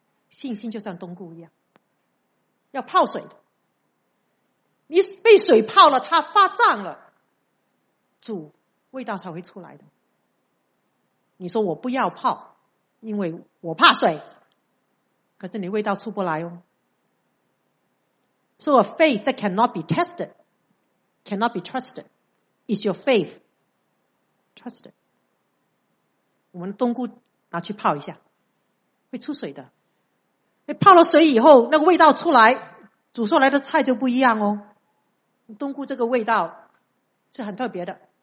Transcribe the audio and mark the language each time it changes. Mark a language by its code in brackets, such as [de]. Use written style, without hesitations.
[zh] 信心就像冬菇一样要泡水的，你被水泡了它发胀了，煮味道才会出来的。你说我不要泡，因为我怕水，可是你味道出不来哦。 [en] So a faith that cannot be tested cannot be trusted. Is your faith trusted? [zh] 我们的冬菇拿去泡一下会出水的，你泡了水以后那个味道出来，煮出来的菜就不一样哦。冬菇这个味道是很特别的。